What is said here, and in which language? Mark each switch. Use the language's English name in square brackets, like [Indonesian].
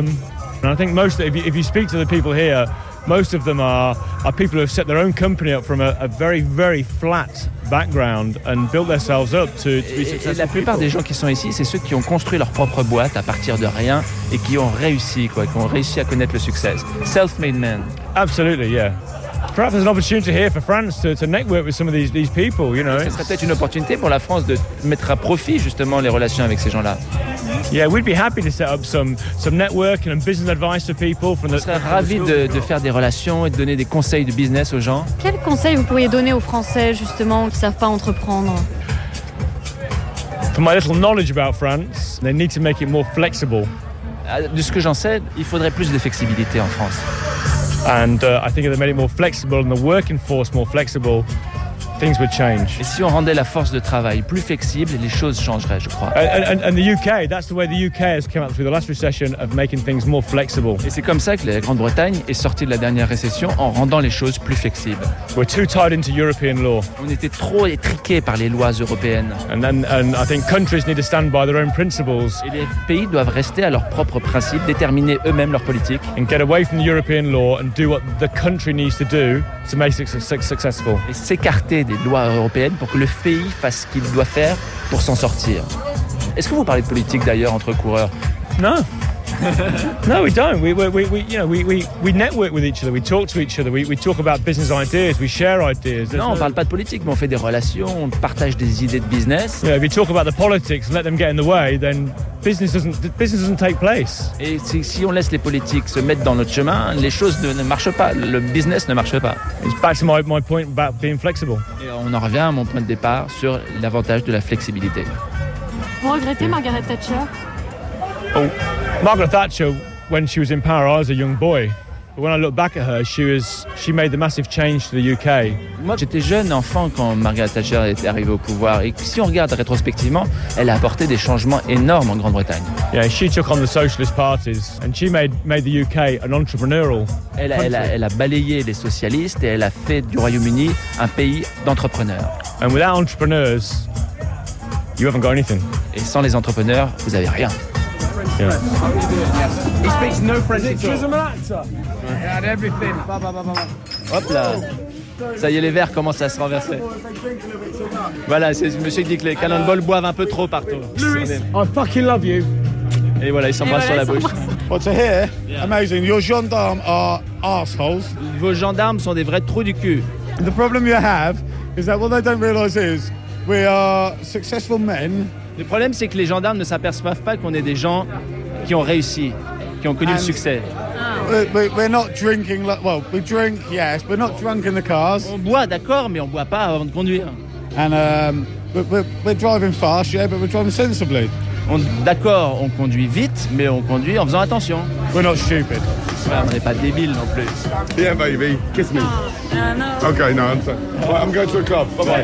[English] And I think most, if you speak to the people here, most of them are people who have set their own company up from a very, very flat background and built themselves up to be successful. [French] La plupart des gens qui sont ici, c'est ceux qui ont construit leur propre boîte à partir de rien et qui ont réussi, quoi, qui ont réussi à connaître le succès. [English] Self-made men. Absolutely, yeah. Perhaps there's an opportunity here for France to network with some of these people, you know. [French] Ce serait peut-être une opportunité pour la France de mettre à profit justement les relations avec ces gens-là. [English] Yeah, we'd be happy to set up some networking and business advice to people from the. [French] On serait ravi de faire des relations et de donner des conseils de business aux gens. Quel conseil vous pourriez donner aux Français justement qui savent pas entreprendre? [English] From my little knowledge about France, they need to make it more flexible. [French] De ce que j'en sais, il faudrait plus de flexibilité en France. [English] And I think if they made it more flexible and the working force more flexible, things would change. [French] Et si on rendait la force de travail plus flexible, les choses changeraient, je crois. [English] And the UK, that's the way the UK has come out through the last recession of making things more flexible. [French] Et c'est comme ça que la Grande-Bretagne est sortie de la dernière récession en rendant les choses plus flexibles. [English] We're too tied into European law. [French] On était trop étriqués par les lois européennes. [English] And I think countries need to stand by their own principles. [French] Et les pays doivent rester à leurs propres principes, déterminer eux-mêmes leur politique. [English] And get away from the European law and do what the country needs to do to make it successful. [French] Et s'écarter des lois européennes pour que le pays fasse ce qu'il doit faire pour s'en sortir. Est-ce que vous parlez de politique d'ailleurs entre coureurs? Non. [English] No, we don't. We network with each other. We talk to each other. We talk about business ideas. We share ideas. [French] Non, on parle pas de politique, mais on fait des relations. On partage des idées de business. [English] Yeah, if you talk about the politics and let them get in the way, then business doesn't take place. [French] Et si on laisse les politiques se mettre dans notre chemin, les choses ne marchent pas. Le business ne marche pas. [English] It's back to my point about being flexible. [French] Et on en revient à mon point de départ sur l'avantage de la flexibilité. Vous regrettez Margaret Thatcher? [English] Oh. Margaret Thatcher, when she was in power, I was a young boy. But when I look back at her, she made the massive change to the UK. [French] Moi, j'étais jeune enfant quand Margaret Thatcher était arrivée au pouvoir. Et si on regarde rétrospectivement, elle a apporté des changements énormes en Grande-Bretagne. [English] Yeah, she took on the socialist parties and she made the UK an entrepreneurial country. [French] Elle a balayé les socialistes et elle a fait du Royaume-Uni un pays d'entrepreneurs. [English] And without entrepreneurs, you haven't got anything. [French] Et sans les entrepreneurs, vous avez rien. [English] Yeah. He speaks no French. Is it Chisholm actor? Yeah. He had everything. Bah, bah, bah, bah. [French] Hop là. Ça y est, les verres commencent à se renverser. Voilà, c'est monsieur qui dit que les Cannonballs boivent un peu trop partout. [English] Louis, I fucking love you. [French] Et voilà, ils s'embrassent sur la bouche. [English] What's here? Yeah. Amazing. Your gendarmes are assholes. [French] Vos gendarmes sont des vrais trous du cul. [English] The problem you have is that what they don't realize is we are successful men. [French] Le problème, c'est que les gendarmes ne s'aperçoivent pas qu'on est des gens qui ont réussi, qui ont connu le succès. [English] We're not drinking, well, we drink, yes, we're not drunk in the cars. [French] On boit, d'accord, mais on boit pas avant de conduire. [English] And we're driving fast, yeah, but we're driving sensibly. [French] D'accord, on conduit vite, mais on conduit en faisant attention. [English] We're not stupid. [French] Ouais, on n'est pas débiles non plus. [English] Yeah, baby, kiss me. No. Okay, no, I'm sorry. Right, I'm going to a club, bye-bye.